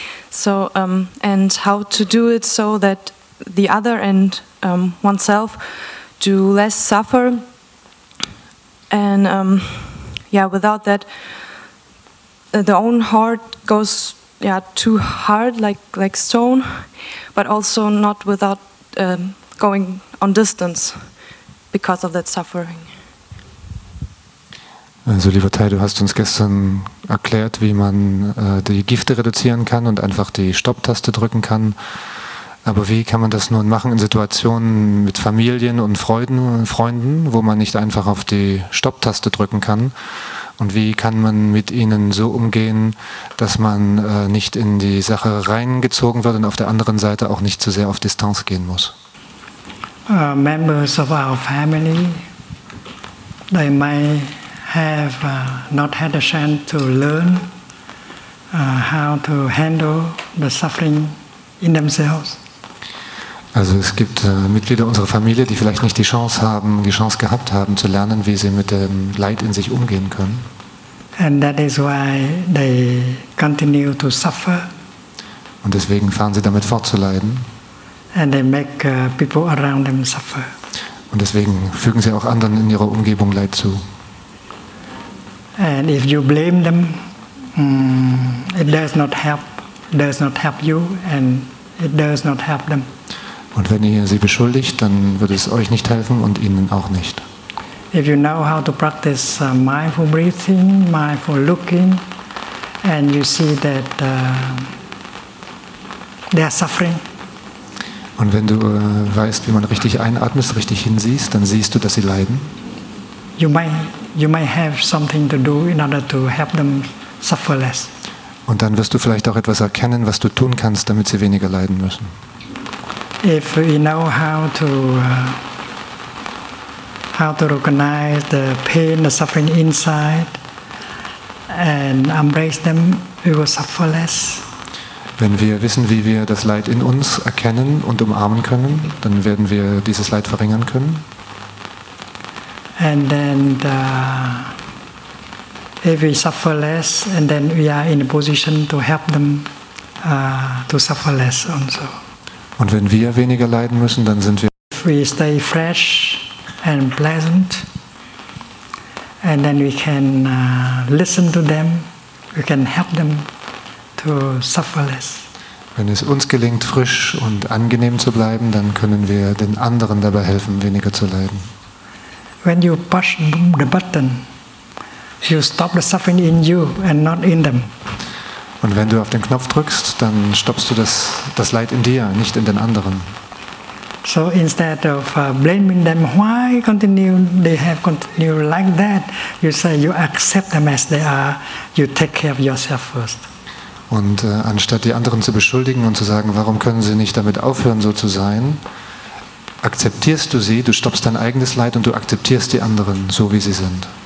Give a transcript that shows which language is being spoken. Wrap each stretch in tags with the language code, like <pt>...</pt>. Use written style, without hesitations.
<en>So and how to do it so that the other and oneself do less suffer, and without that the own heart goes too hard like stone, but also not without going on distance because of that suffering.</en> <de>Also lieber Tai, du hast uns gestern erklärt, wie man die Gifte reduzieren kann und einfach die Stopptaste drücken kann. Aber wie kann man das nun machen in Situationen mit Familien und Freunden, wo man nicht einfach auf die Stopptaste drücken kann? Und wie kann man mit ihnen so umgehen, dass man nicht in die Sache reingezogen wird und auf der anderen Seite auch nicht zu sehr auf Distanz gehen muss?</de> <en>Members of our family, they might have not had a chance to learn how to handle the suffering in themselves.</en> <de>Also es gibt Mitglieder unserer Familie, die vielleicht nicht die Chance gehabt haben zu lernen, wie sie mit dem Leid in sich umgehen können.</de> <en>And that is why they continue to suffer.</en> <de>Und deswegen fahren sie damit fort zu leiden.</de> <en>And they make people around them suffer.</en> <de>Und deswegen fügen sie auch anderen in ihrer Umgebung Leid zu.</de> <en>And if you blame them, it does not help, does not help you, and it does not help them.</en> <de>Und wenn ihr sie beschuldigt, dann wird es euch nicht helfen und ihnen auch nicht.</de> <en>If you know how to practice mindful breathing, mindful looking, and you see that they are suffering.</en> <de>Und wenn du weißt, wie man richtig einatmet, richtig hinsiehst, dann siehst du, dass sie leiden.</de> <en>You might have something to do in order to help them suffer less.</en> <de>Und dann wirst du vielleicht auch etwas erkennen, was du tun kannst, damit sie weniger leiden müssen.</de> <en>If you know how to recognize the pain, the suffering inside, and embrace them, we will suffer less.</en> <de>Wenn wir wissen, wie wir das Leid in uns erkennen und umarmen können, dann werden wir dieses Leid verringern können.</de> <en>And then if we suffer less, and then we are in a position to help them to suffer less also.</en> <de>Und wenn wir weniger leiden müssen, dann sind wir.</de> <en>If we stay fresh and pleasant, and then we can listen to them, we can help them to suffer less.</en> <de>Wenn es uns gelingt, frisch und angenehm zu bleiben, dann können wir den anderen dabei helfen, weniger zu leiden.</de> <en>When you push the button, you stop the suffering in you and not in them.</en> <de>Und wenn du auf den Knopf drückst, dann stoppst du das Leid in dir, nicht in den anderen.</de> <en>So instead of blaming them, why continue they have continued like that, you say you accept them as they are, you take care of yourself first.</en> <de>Und anstatt die anderen zu beschuldigen und zu sagen, warum können sie nicht damit aufhören, so zu sein, akzeptierst du sie, du stoppst dein eigenes Leid und du akzeptierst die anderen, so wie sie sind.</de>